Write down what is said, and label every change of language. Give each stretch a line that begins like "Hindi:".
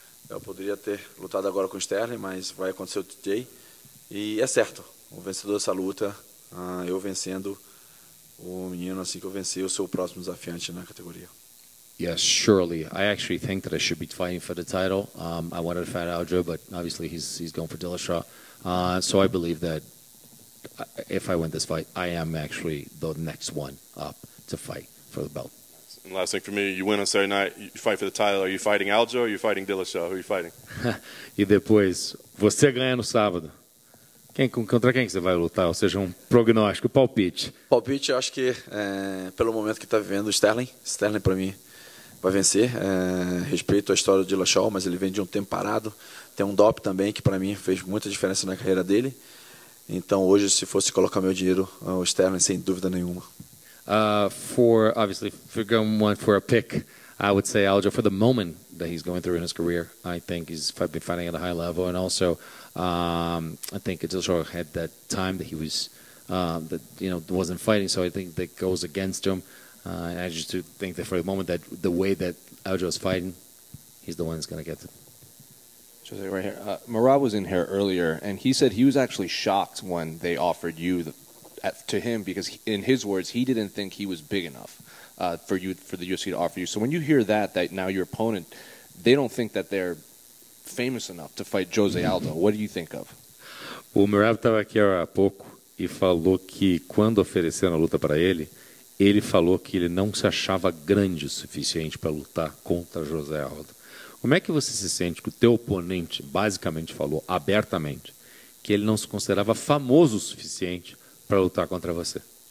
Portuguese: Eu poderia ter lutado agora com o Sterling, mas vai acontecer o TJ. E é certo, o vencedor dessa luta, eu vencendo o menino assim que eu venci, eu sou o próximo desafiante na categoria.
English: Yes, surely. I actually think that I should be fighting for the title. I wanted to fight Aldo, but obviously he's going for Dillashaw. So I believe that if I win this fight, I am actually the next one up to fight for the belt. And last thing for me, you win on Saturday night, you fight for the title. Are you fighting Aldo or are you fighting Dillashaw? Who are you fighting?
Portuguese: E depois, você ganha no sábado. Quem, contra quem você vai lutar? Ou seja, prognóstico, palpite. Palpite, eu acho que pelo momento que está vivendo o Sterling. Sterling, para mim, vai vencer. Respeito a história do Dillashaw, mas ele vem de um tempo parado. Tem um dop também que, para mim, fez muita diferença na carreira dele. Então, hoje, se fosse colocar meu dinheiro, o Sterling, sem dúvida nenhuma.
English: Obviously, if you're going one for a pick, I would say Aldo, for the moment that he's going through in his career, I think he's been fighting at a high level. And also, I think Dillashaw had that time that he was, that you know, wasn't fighting. So I think that goes against him. I just do think that for the moment, that the way that Aldo is fighting, he's the one that's going to get it. Jose, right here. Merab was in here earlier, and he said he was actually shocked when they offered you to him, because in his words, he didn't think he was big enough for you, for the UFC to offer you. So when you hear that now your opponent, they don't think that they're famous enough to fight Jose Aldo. What do you think of?
Portuguese: O Merab estava aqui há pouco e falou que quando ofereceram a luta para ele, ele falou que ele não se achava grande o suficiente para lutar contra Jose Aldo. Como é que você se sente que o teu oponente basicamente falou abertamente que ele não se considerava famoso o suficiente para lutar contra você?